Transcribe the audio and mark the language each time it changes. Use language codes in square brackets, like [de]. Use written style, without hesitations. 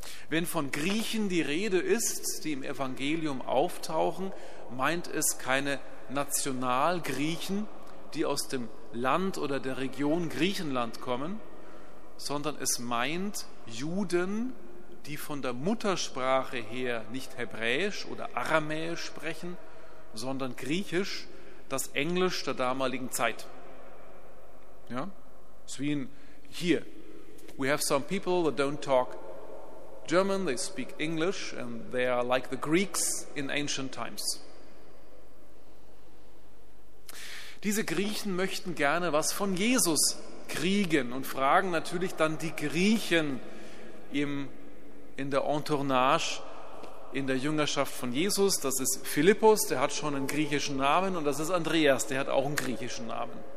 [de] Wenn von Griechen die Rede ist, die im Evangelium auftauchen, meint es keine Nationalgriechen, die aus dem Land oder der Region Griechenland kommen, sondern es meint Juden, die von der Muttersprache her nicht Hebräisch oder Aramäisch sprechen, sondern Griechisch, das Englisch der damaligen Zeit. Ja? It's wie hier. [en] We have some people that don't talk German, they speak English and they are like the Greeks in ancient times. [de] Diese Griechen möchten gerne was von Jesus kriegen und fragen natürlich dann die Griechen in der Entournage, in der Jüngerschaft von Jesus. Das ist Philippus, der hat schon einen griechischen Namen, und das ist Andreas, der hat auch einen griechischen Namen.